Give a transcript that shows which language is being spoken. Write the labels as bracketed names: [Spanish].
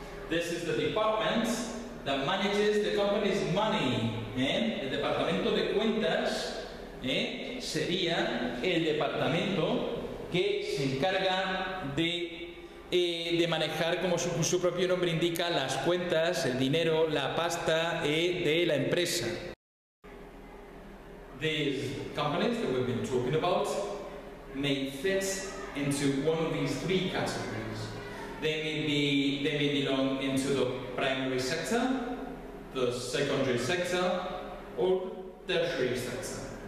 [English] This is the department that manages the company's money. [Spanish] El departamento de cuentas sería el departamento que se encarga de manejar, como su propio nombre indica, las cuentas, el dinero, la pasta de la empresa. [English] These companies that we've been talking about may fit into one of these three categories. They may belong into the primary sector, the secondary sector, or tertiary sector.